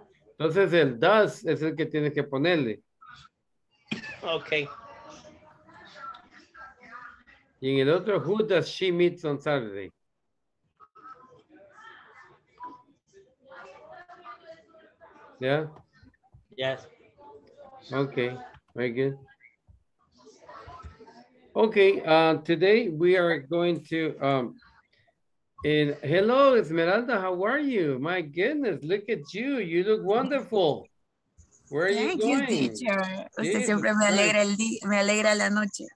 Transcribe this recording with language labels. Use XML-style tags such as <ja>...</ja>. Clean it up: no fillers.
<es>Entonces el does es el que tienes que ponerle.</es> <en>Okay.</en> <es>Y en el otro,</es> <en>who does she meet on Saturday? Yeah? Yes. Okay, very good. Okay, today we are going to, hello Esmeralda, how are you? My goodness, look at you, you look wonderful. Where are you going? Thank you, teacher.</en> <es>Usted Jesus siempre me alegra el día, me alegra la noche.</es>